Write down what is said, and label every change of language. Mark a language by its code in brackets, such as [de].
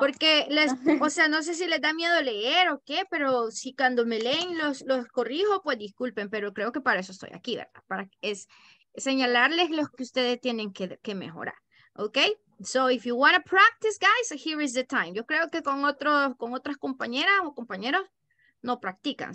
[es] Porque les, o sea, no sé si les da miedo leer o qué, pero si cuando me leen los corrijo, pues disculpen, pero creo que para eso estoy aquí, ¿verdad? Para es señalarles los que ustedes tienen que mejorar, ¿ok? [en] So if you want to practice, guys, here is the time. [es] Yo creo que con otras compañeras o compañeros no practican.